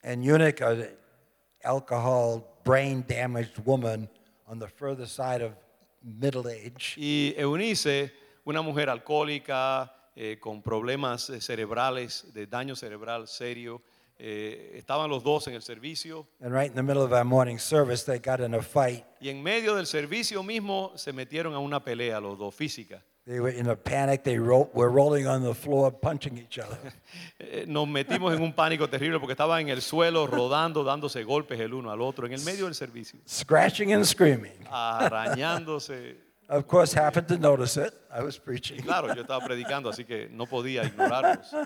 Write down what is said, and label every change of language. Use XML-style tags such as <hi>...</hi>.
<en>And Eunice, an alcohol brain damaged woman on the further side of middle age.</en> <es>Y Eunice, una mujer alcohólica con problemas cerebrales, de daño cerebral serio. Estaban los dos en el servicio.</es> <en>And right in the middle of our morning service, they got in a fight.</en> <es>Y en medio del servicio mismo se metieron a una pelea los dos física.</es> <en>They were in a panic. They were rolling on the floor, punching each other.</en> <es>Nos metimos en un pánico terrible porque estaban en el suelo rodando, dándose golpes el uno al otro en el medio del servicio.</es> <en>Scratching and screaming.</en> <es>Arañándose.</es> <en>Of course, happened to notice it. I was preaching.</en> <es>Claro, yo estaba predicando, así que no podía ignorarlos.</es>